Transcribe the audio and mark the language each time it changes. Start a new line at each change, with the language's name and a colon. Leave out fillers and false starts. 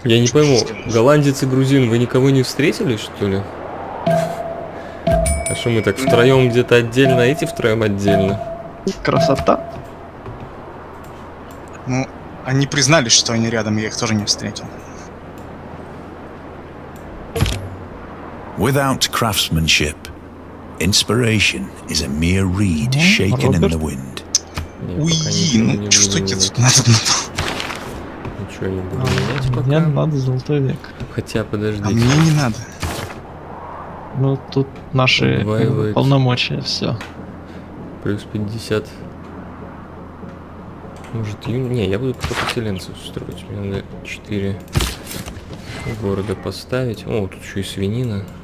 Russian: Я не пойму, голландец и грузин, вы никого не встретили, что ли? А что мы так втроем где-то отдельно, а эти втроем отдельно? Красота. Ну, они признались, что они рядом, я их тоже не встретил.
English: Without craftsmanship, inspiration is a mere reed shaken in the wind.
Russian: Уи, ну что тебе тут надо? Ничего не буду менять пока. Мне надо золотой век. Хотя подождите. А мне не надо. Ну тут наши полномочия, все. Плюс 50. Может, не, я буду как-то поселенцев строить. Мне надо 4 города поставить. О, тут еще и свинина.